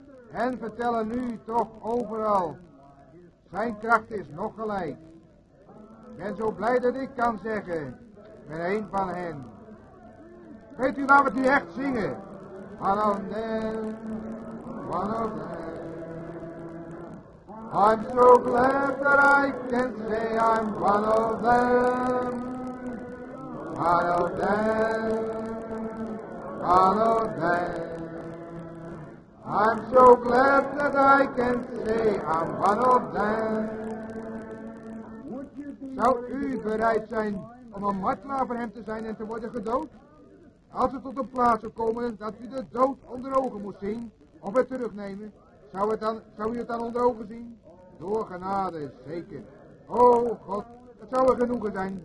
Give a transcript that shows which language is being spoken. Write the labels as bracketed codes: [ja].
[nl] En vertellen nu toch overal, zijn kracht is nog gelijk. Ik ben zo blij dat ik kan zeggen, ik ben een van hen. Weet u, laten we het nu echt zingen. [en] One of them, one of them. I'm so glad that I can say I'm one of them, one of them, one of them. I'm so glad that I can say I'm one of them. [nl] Zou u bereid zijn om een martelaar voor hem te zijn en te worden gedood? Als het tot een plaats zou komen dat u de dood onder ogen moest zien of het terugnemen, zou u het dan onder ogen zien? Door genade, zeker. O God, het zou er genoegen zijn.